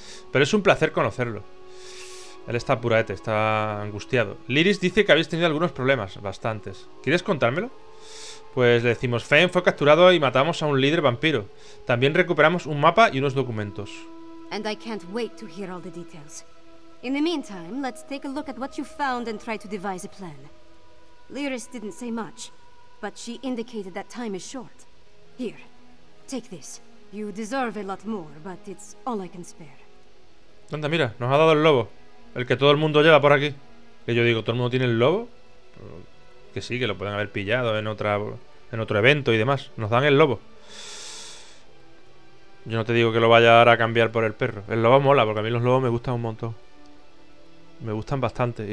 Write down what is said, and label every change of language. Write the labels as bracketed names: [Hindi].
[Spanish] Pero es un placer conocerlo. Él está apurado, está angustiado. Lyris dice que habéis tenido algunos problemas, bastantes. ¿Quieres contármelo? Pues le decimos, Fen fue capturado y matamos a un líder vampiro. También recuperamos un mapa y unos documentos. [English] And I can't wait to hear all the details. In the meantime, let's take a look at what you found and try to devise a plan. Lyris didn't say much, but she indicated that time is short. Here, take this. You deserve a lot more, but it's all I can spare. [Spanish] Anda, mira, nos ha dado el lobo, el que todo el mundo lleva por aquí. Que yo digo, ¿todo el mundo tiene el lobo? Que sí, que lo pueden haber pillado en otro evento y demás. Nos dan el lobo. Yo no te digo que lo vaya ahora a cambiar por el perro. El lobo mola, porque a mí los lobos me gustan un montón. Me gustan bastante.